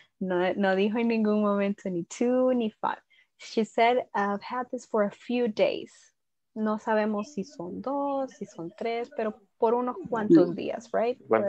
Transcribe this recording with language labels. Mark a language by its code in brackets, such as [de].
[es] No dijo en ningún momento ni two ni five. [en] She said, I've had this for a few days. [es] No sabemos si son dos, si son tres, pero por unos cuantos días, right?